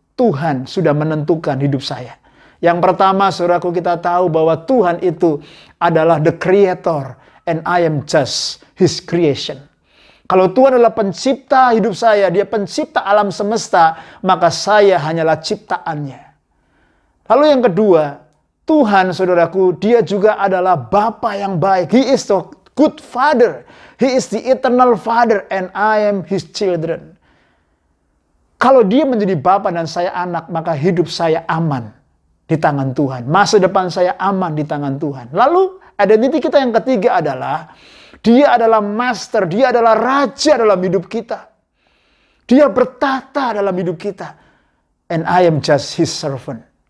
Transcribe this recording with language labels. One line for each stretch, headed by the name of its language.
Indonesian: Tuhan sudah menentukan hidup saya. Yang pertama, saudaraku, kita tahu bahwa Tuhan itu adalah
English: the creator and I am just his creation.
Indonesian: Kalau Tuhan adalah pencipta hidup saya, dia pencipta alam semesta, maka saya hanyalah ciptaannya. Lalu yang kedua, Tuhan, saudaraku, dia juga adalah Bapa yang baik.
English: He is the good father. He is the eternal father and I am his children.
Indonesian: Kalau dia menjadi Bapa dan saya anak, maka hidup saya aman di tangan Tuhan. Masa depan saya aman di tangan Tuhan. Lalu identiti kita yang ketiga adalah, dia adalah master, dia adalah raja dalam hidup kita. Dia bertata dalam hidup kita.
English: And I am just his servant.